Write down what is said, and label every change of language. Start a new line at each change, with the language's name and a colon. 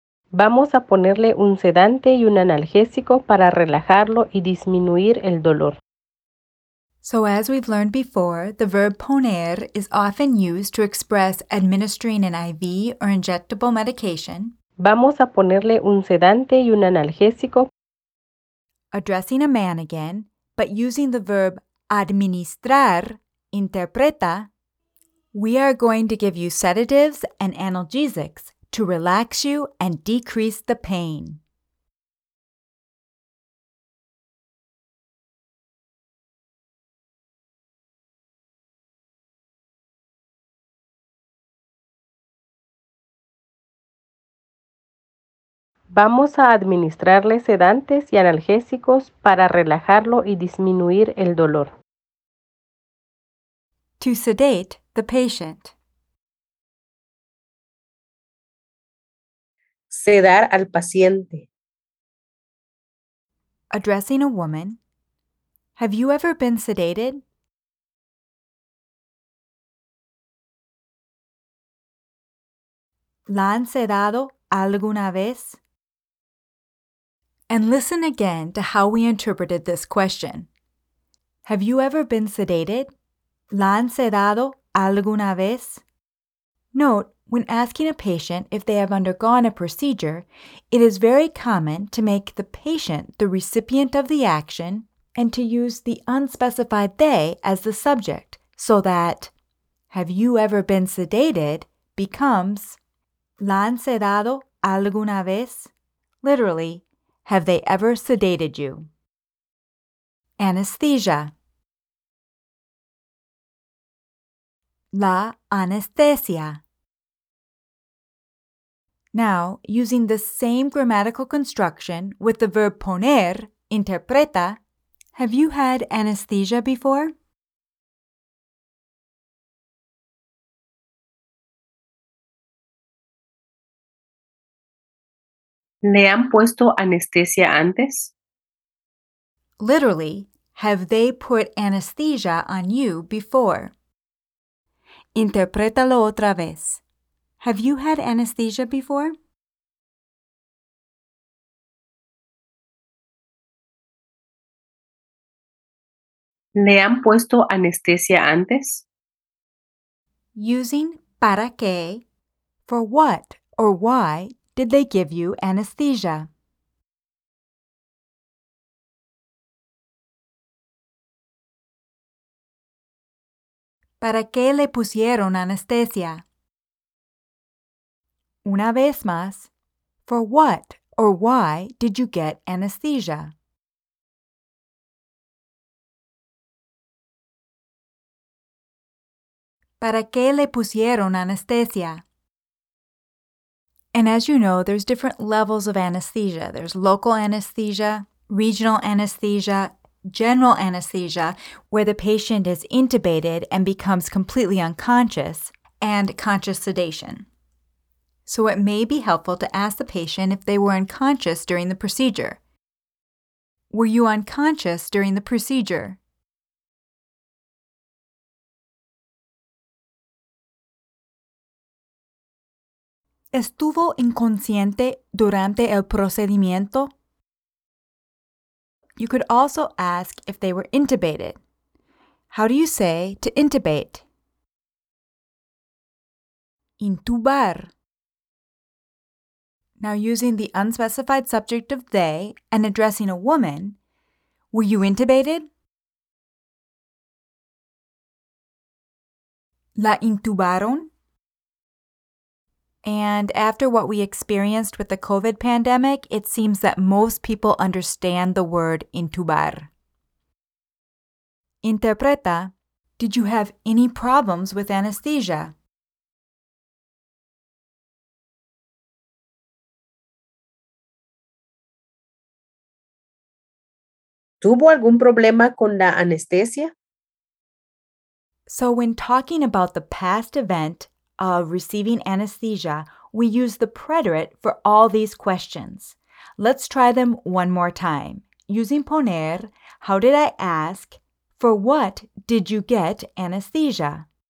Spanish: Vamos a ponerle un sedante y un analgésico para relajarlo y disminuir el dolor.
English: So as we've learned before, the verb poner is often used to express administering an IV or injectable medication.
Spanish: Vamos a ponerle un sedante y un analgésico.
English: Addressing a man again, but using the verb administrar, interpreta, we are going to give you sedatives and analgesics to relax you and decrease the pain.
Spanish: Vamos a administrarle sedantes y analgésicos para relajarlo y disminuir el dolor.
English: To sedate the patient.
Spanish: Sedar al paciente.
English: Addressing a woman. Have you ever been sedated?
Spanish: ¿La han sedado alguna vez?
English: And listen again to how we interpreted this question. Have you ever been sedated?
Spanish: ¿La han sedado alguna vez?
English: Note, when asking a patient if they have undergone a procedure, it is very common to make the patient the recipient of the action and to use the unspecified they as the subject, so that have you ever been sedated becomes
Spanish: ¿La han sedado alguna vez?
English: Literally, have they ever sedated you? Anesthesia.
Spanish: La anestesia.
English: Now, using the same grammatical construction with the verb poner, interpreta, have you had anesthesia before?
Spanish: ¿Le han puesto anestesia antes?
English: Literally, have they put anesthesia on you before?
Spanish: Interprétalo otra vez.
English: Have you had anesthesia before?
Spanish: ¿Le han puesto anestesia antes?
English: Using para qué, for what or why did they give you anesthesia?
Spanish: ¿Para qué le pusieron anestesia? Una vez más,
English: for what or why did you get anesthesia?
Spanish: ¿Para qué le pusieron anestesia?
English: And as you know, there's different levels of anesthesia. There's local anesthesia, regional anesthesia, general anesthesia, where the patient is intubated and becomes completely unconscious, and conscious sedation. So it may be helpful to ask the patient if they were unconscious during the procedure. Were you unconscious during the procedure?
Spanish: ¿Estuvo inconsciente durante el procedimiento?
English: You could also ask if they were intubated. How do you say to intubate?
Spanish: Intubar.
English: Now, using the unspecified subject of they and addressing a woman, were you intubated?
Spanish: La intubaron.
English: And after what we experienced with the COVID pandemic, it seems that most people understand the word intubar. Interpreta, did you have any problems with anesthesia?
Spanish: ¿Tuvo algún problema con la anestesia?
English: So when talking about the past event of receiving anesthesia, we use the preterite for all these questions. Let's try them one more time. Using poner, how did I ask, for what did you get anesthesia?